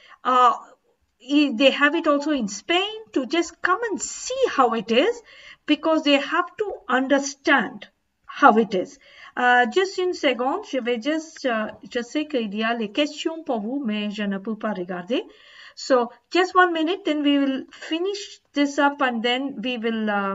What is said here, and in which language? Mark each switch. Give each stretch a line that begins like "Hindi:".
English: They have it also in Spain, to just come and see how it is, because they have to understand how it is.
French: Juste une seconde, je vais juste, je sais qu'il y a les questions pour vous, mais je ne peux pas regarder.
English: So, just 1 minute, then we will finish this up and then we will...